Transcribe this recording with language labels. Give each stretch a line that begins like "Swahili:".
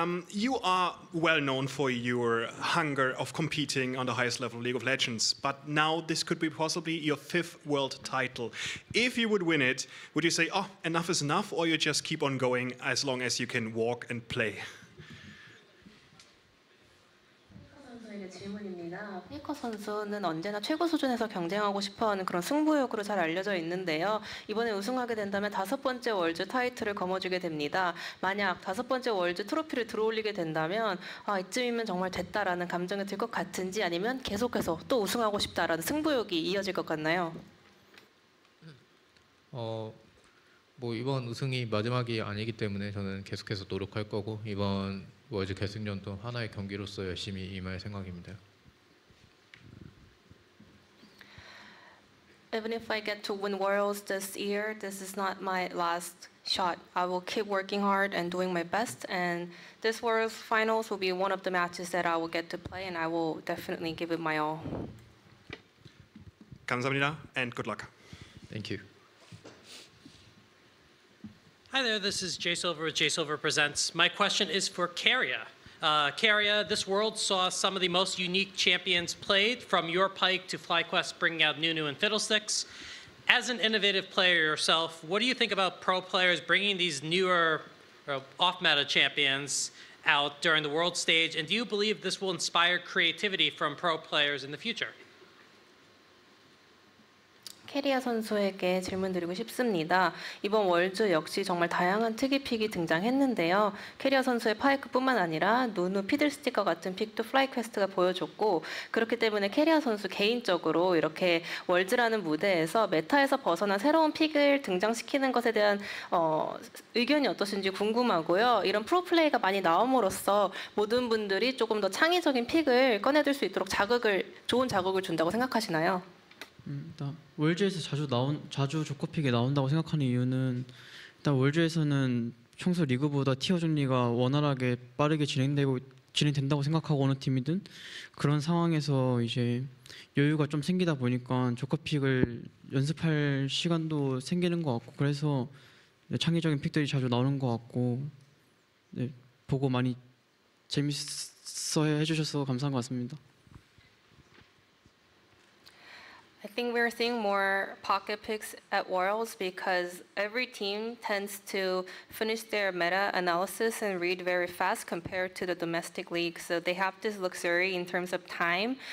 English: You are well known for your hunger of competing on the highest level of League of Legends, but now this could be possibly your fifth world title. If you would win it, would you say, oh, enough is enough, or you just keep on going as long as you can walk and play?
Korean: 질문입니다. 페이커 선수는 언제나 최고 수준에서 경쟁하고 싶어하는 그런 승부욕으로 잘 알려져 있는데요. 이번에 우승하게 된다면 다섯 번째 월드 타이틀을 거머쥐게 됩니다. 만약 다섯 번째 월드 트로피를 들어올리게 된다면 아, 이쯤이면 정말 됐다라는 감정이 들 것 같은지 아니면 계속해서 또 우승하고 싶다라는 승부욕이 이어질 것 같나요? 뭐 이번 우승이 마지막이 아니기 때문에 저는 계속해서 노력할 거고 이번 월드 결승전도 하나의 경기로서 열심히 임할 생각입니다.
English: Even if I get to win Worlds this year, this is not my last shot. I will keep working hard and doing my best, and this Worlds Finals will be one of the matches that I will get to play, and I will definitely give it my all.
Korean: 감사합니다,
English: and good luck. Thank you. Hi there, this is Jay Silver with Jay Silver Presents. My question is for Caria. Caria, this world saw some of the most unique champions played, from your Pyke to FlyQuest bringing out Nunu and Fiddlesticks. As an innovative player yourself, what do you think about pro players bringing these newer off-meta champions out during the world stage, and do you believe this will inspire creativity from pro players in the future?
Korean: 캐리아 선수에게 질문 드리고 싶습니다. 이번 월드 역시 정말 다양한 특이 픽이 등장했는데요. 캐리아 선수의 파이크뿐만 아니라 누누 피들스틱과 같은 픽도 플라이퀘스트가 보여줬고 그렇기 때문에 캐리아 선수 개인적으로 이렇게 월드라는 무대에서 메타에서 벗어난 새로운 픽을 등장시키는 것에 대한 의견이 어떠신지 궁금하고요. 이런 프로플레이가 많이 나옴으로써 모든 분들이 조금 더 창의적인 픽을 꺼내들 수 있도록 자극을 좋은 자극을 준다고 생각하시나요? 일단 월드에서 자주 조커 픽이 나온다고 생각하는 이유는 일단 월드에서는 평소 리그보다 티어 정리가 원활하게 빠르게 진행된다고 생각하고 어느 팀이든 그런 상황에서 이제 여유가 좀 생기다 보니까 조커 픽을 연습할 시간도 생기는 것 같고 그래서 창의적인 픽들이 자주 나오는 것 같고 네, 보고 많이 재밌어 해주셔서 감사한 것 같습니다.
English: I think we're seeing more pocket picks at Worlds because every team tends to finish their meta analysis and read very fast compared to the domestic league. So they have this luxury in terms of time.